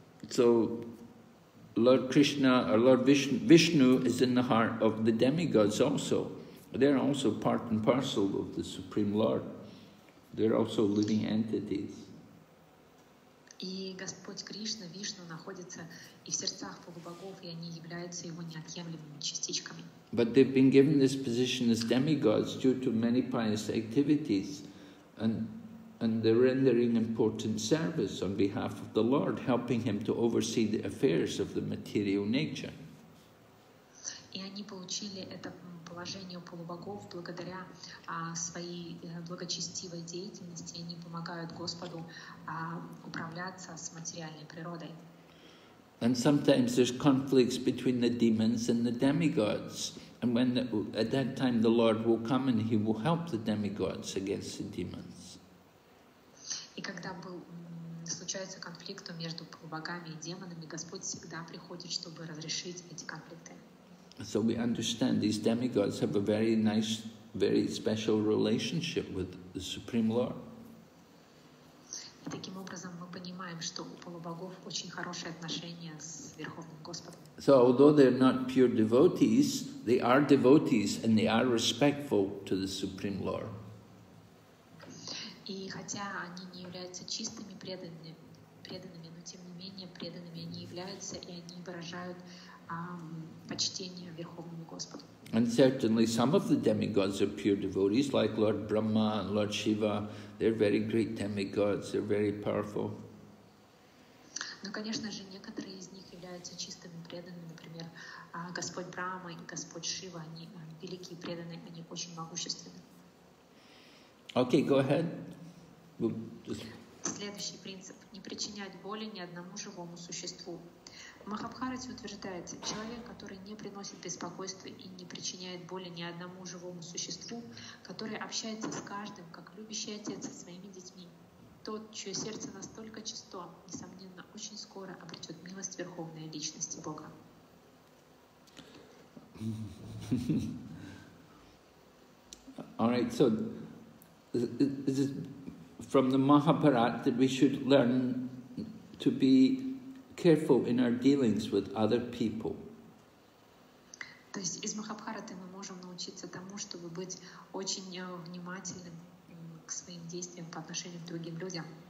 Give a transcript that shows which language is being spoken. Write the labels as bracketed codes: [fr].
[en] So, Lord Krishna or Lord Vishnu is in the heart of the demigods also. They're also part and parcel of the Supreme Lord. They're also living entities. [ru] И Господь Кришна, Вишну, находится и в сердцах полубогов, и они являются его неотъемлемыми частичками. [en] But they've been given this position as demigods due to many pious activities, and they're rendering important service on behalf of the Lord, helping him to oversee the affairs of the material nature. [ru] И они получили это положение полубогов благодаря своей благочестивой деятельности, они помогают Господу управляться с материальной природой. [en] And sometimes there's conflicts between the demons and the demigods, and when at that time the Lord will come and he will help the demigods against the demons. [ru] И когда случается конфликт между полубогами и демонами, Господь всегда приходит, чтобы разрешить эти конфликты. [en] So we understand these demigods have a very nice, very special relationship with the Supreme Lord. [ru] И таким образом мы понимаем, что у полубогов очень хорошие отношения с Верховным Господом. [en] So although they're not pure devotees, they are devotees and they are respectful to the Supreme Lord. [ru] И хотя они не являются чистыми преданными, но тем не менее преданными они являются, и они выражают почтение Верховному Господу. [en] And certainly some of the demigods are pure devotees, like Lord Brahma and Lord Shiva. They're very great demigods, they're very powerful. [ru] Но, конечно же, некоторые из них являются чистыми преданными, например, Господь Брахма и Господь Шива, они великие преданные, они очень могущественны. [en] Okay, go ahead. [ru] Следующий принцип – не причинять боли ни одному живому существу. В Махабхарате утверждается, человек, который не приносит беспокойства и не причиняет боли ни одному живому существу, который общается с каждым, как любящий отец со своими детьми, тот, чье сердце настолько чисто, несомненно, очень скоро обретет милость Верховной Личности Бога. [en] All right, so is it from the Mahabharata that we should learn to be careful in our dealings with other people. [ru] То есть из Махабхараты мы можем научиться тому, чтобы быть очень внимательным к своим действиям по отношению к другим людям.